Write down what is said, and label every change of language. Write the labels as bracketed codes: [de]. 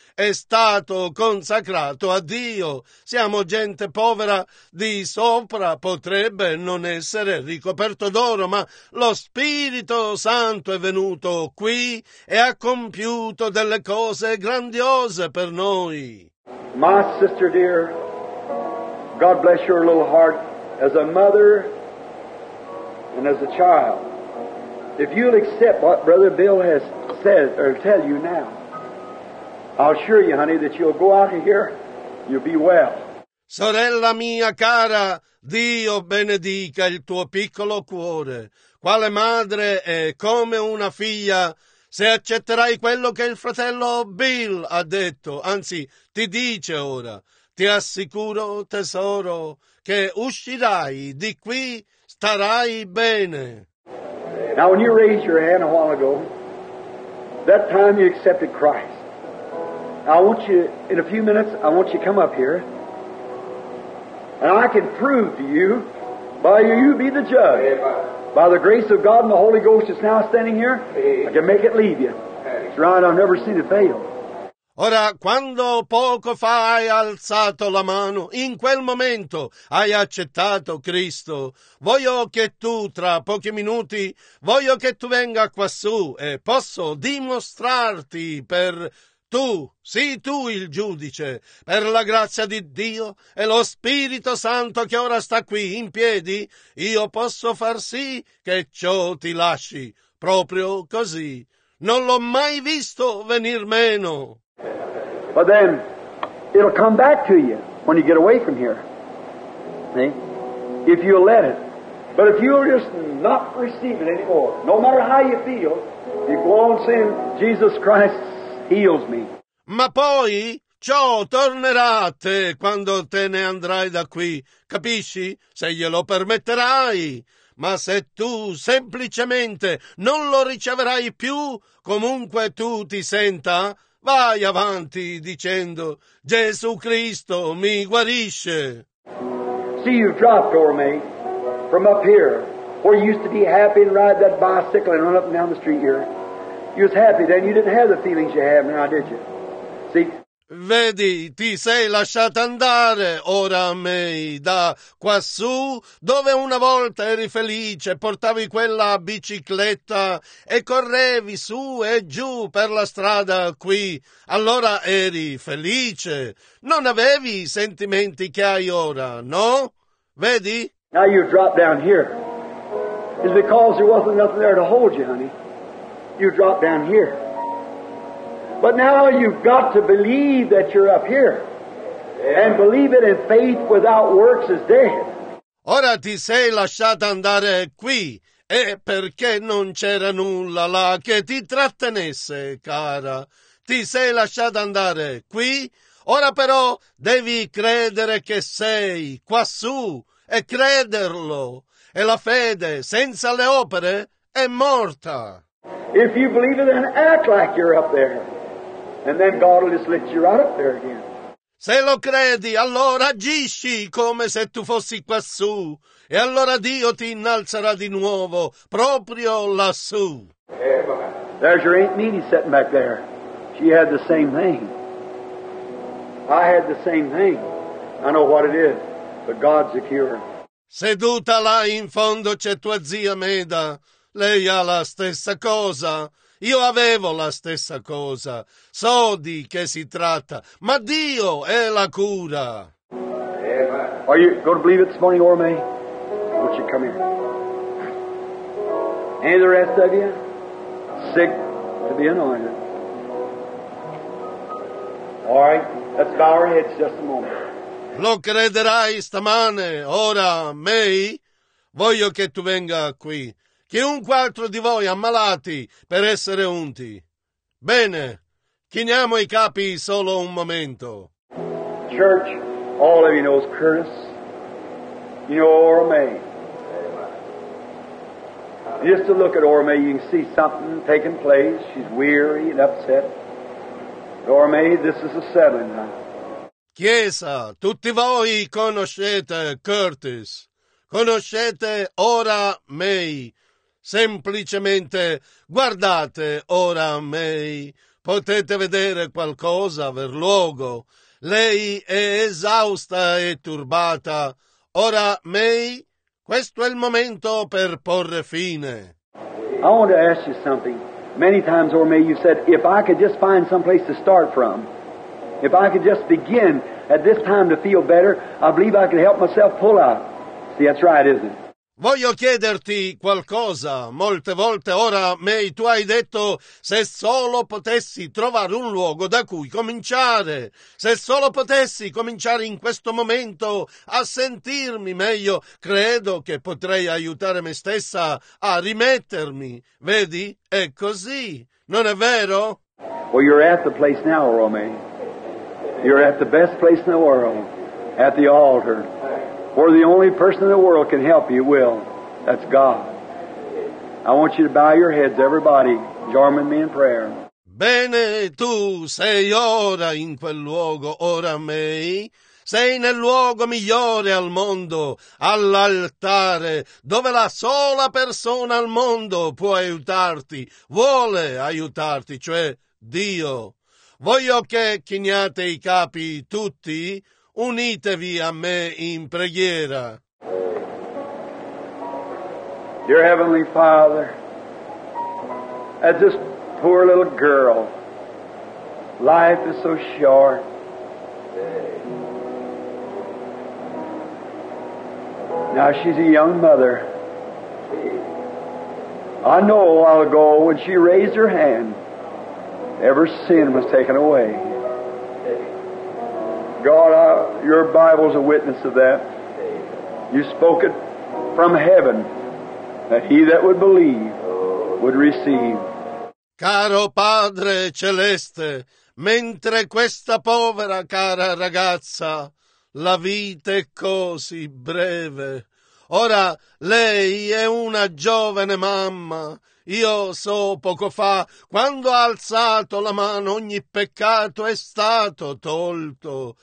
[it] È stato consacrato a Dio. Siamo gente povera, di sopra potrebbe non essere ricoperto d'oro, ma lo Spirito Santo è venuto qui e ha compiuto delle cose grandiose per noi. [en] My sister dear, God bless your little heart as a mother and as a child. If you'll accept what Brother Bill has said or tell you now, I'll assure you, honey, that you'll go out of here, you'll be well. [it] Sorella mia cara, Dio benedica il tuo piccolo cuore. Quale madre è come una figlia, se accetterai quello che il fratello Bill ha detto, anzi, ti dice ora, ti assicuro, tesoro, che uscirai di qui, starai bene. [en] Now, when you raised your hand a while ago, that time you accepted Christ. I want you, in a few minutes, I want you to come up here, and I can prove to you, by you be the judge. Amen. By the grace of God and the Holy Ghost that's now standing here, amen, I can make it leave you. It's right, I've never seen it fail. [it] Ora, quando poco fa hai alzato la mano, in quel momento hai accettato Cristo, voglio che tu, tra pochi minuti, voglio che tu venga quassù e posso dimostrarti per... Tu, sii tu il giudice, per la grazia di Dio e lo Spirito Santo che ora sta qui in piedi, io posso far sì che ciò ti lasci, proprio così. Non l'ho mai visto venir meno. [en] But then, it'll come back to you when you get away from here, if you'll let it. But if you'll just not receive it anymore, no matter how you feel, you go on saying Jesus Christ heals me. [it] Ma poi ciò tornerà a te quando te ne andrai da qui, capisci? Se glielo permetterai. Ma se tu semplicemente non lo riceverai più, comunque tu ti senta, vai avanti dicendo Gesù Cristo mi guarisce. [en] See, you've dropped over me from up here where you used to be happy and ride that bicycle and run up and down the street here. You was happy then, you didn't have the feelings you have now, did you? See? [it] Vedi, ti sei lasciata andare ora a me da quassù, dove una volta eri felice, portavi quella bicicletta e correvi su e giù per la strada qui. Allora eri felice. Non avevi i sentimenti che hai ora, no? Vedi? [en] Now you dropped down here. It's because there wasn't nothing there to hold you, honey. You drop down here. But now you've got to believe that you're up here. And believe it in faith without works is dead. [it] Ora ti sei lasciata andare qui. E perché non c'era nulla là che ti trattenesse, cara? Ti sei lasciata andare qui. Ora però devi credere che sei quassù e crederlo. E la fede senza le opere è morta. [en] If you believe it, then act like you're up there. And then God will just lift you right up there again. [it] Se lo credi, allora agisci come se tu fossi quassù. E allora Dio ti innalzerà di nuovo, proprio lassù. [en] There's your Aunt Needy sitting back there. She had the same thing. I had the same thing. I know what it is. But God's a cure. [it] Seduta là in fondo c'è tua zia Meda. Lei ha la stessa cosa. Io avevo la stessa cosa. So di che si tratta, ma Dio è la cura. [en] Are you going to believe it this morning, or me? Won't you come here? Any of the rest of you sick to be anointed? All right, let's bow our heads just a moment. [it] Lo crederai stamane, ora May? Voglio che tu venga qui. Chi un quattro di voi ammalati per essere unti. Bene, chiniamo i capi solo un momento. [en] Church, all of you knows Curtis. You know Ora May. Just to look at Ora May, you can see something taking place. She's weary and upset. Ora May, this is a settling time. [it] Chiesa, tutti voi conoscete Curtis, conoscete Ora May. Semplicemente guardate Ora May, potete vedere qualcosa, aver luogo. Lei è esausta e turbata. Ora May, questo è il momento per porre fine. [en] I want to ask you something. Many times, Ora May, you said, if I could just find some place to start from, if I could just begin at this time to feel better, I believe I could help myself pull out. See, that's right, isn't it? [it] Voglio chiederti qualcosa. Molte volte, Ora May, tu hai detto, se solo potessi trovare un luogo da cui cominciare, se solo potessi cominciare in questo momento a sentirmi meglio, credo che potrei aiutare me stessa a rimettermi. Vedi? È così. Non è vero? [en] Well, you're at the place now, Ora May. You're at the best place in the world, at the altar, where the only person in the world can help you will. That's God. I want you to bow your heads, everybody. Join me in prayer. [it] Bene, tu sei ora in quel luogo, Ora May. Sei nel luogo migliore al mondo, all'altare, dove la sola persona al mondo può aiutarti, vuole aiutarti, cioè Dio. Voglio che chiniate i capi tutti, unitevi a me in preghiera. [en] Dear Heavenly Father, as this poor little girl, life is so short. Now she's a young mother. I know a while ago when she raised her hand, every sin was taken away. God, your Bible's a witness of that. You spoke it from heaven that he that would believe would receive. [it] Caro Padre Celeste, mentre questa povera cara ragazza, la vita è così breve. Ora, lei è una giovane mamma. Io so poco fa, quando ha alzato la mano, ogni peccato è stato tolto.